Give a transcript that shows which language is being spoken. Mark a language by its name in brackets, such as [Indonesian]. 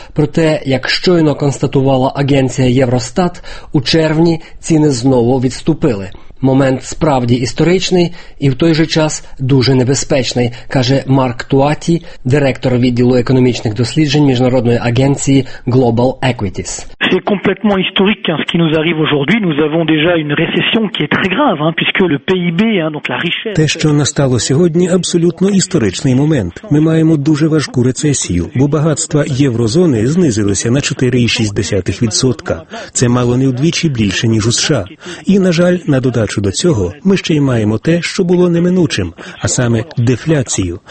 [Ukrainian] Проте, як щойно констатувала агенція Євростат, у червні ціни знову відступили. Момент справді історичний і в той же час дуже небезпечний, каже Марк Туаті, директор відділу економічних досліджень міжнародної агенції Global Equities. [French] C'est complètement historique ce qui nous arrive aujourd'hui. Nous avons déjà une récession qui est très grave, puisque le PIB, donc la richesse. [Ukrainian] Те, що настало сьогодні, абсолютно історичний момент. Ми маємо дуже важку рецесію, бо багатства єврозони знизилися на 4,6%. Це мало не вдвічі більше, ніж у США. І, на жаль, на додачу до цього, ми ще й маємо те, що було неминучим, а саме дефляцію.